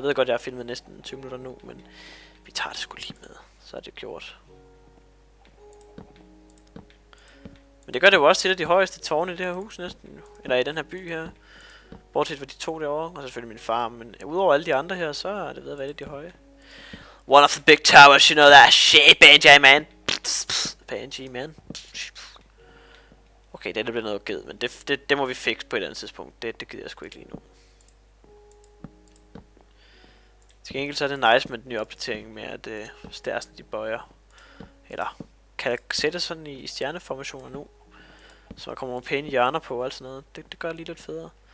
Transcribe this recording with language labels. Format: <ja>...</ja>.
<da>Jeg ved godt, jeg har filmet næsten 20 minutter nu, men vi tager det sgu lige med. Så er det gjort. Men det gør det jo også til, at de højeste tårne i det her hus næsten. Eller i den her by her. Bortset fra de to derovre, og selvfølgelig min far. Men udover alle de andre her, så er det ved at være de høje.</da> <en>One of the big towers, you know that shit, Benji man. Benji man.</en> <da>Okay, det bliver noget givet, men det må vi fikse på et eller andet tidspunkt. Det gider jeg sgu ikke lige nu. Til gengæld så er det nice med den nye opdatering med, at stærsten de bøjer. Eller kan jeg sætte sådan i stjerneformationer nu? Så der kommer nogle pæne hjørner på og alt sådan noget. Det gør lige lidt federe.</da>